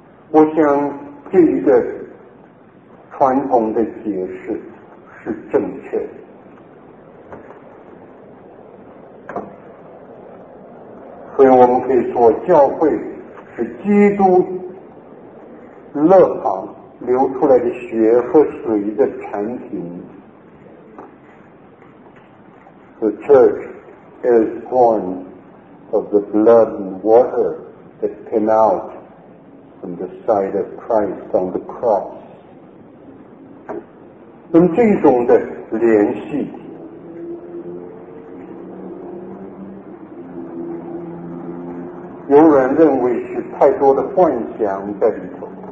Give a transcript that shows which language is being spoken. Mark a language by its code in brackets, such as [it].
[zh] 我想这一个传统的解释是正确的。所以我们可以说，教会是基督肋旁流出来的血和水的产品。 [en] The church is born of the blood and water that came out from the side of Christ on the cross。 [zh] 那么这种的联系，有人认为是太多的幻想在里头，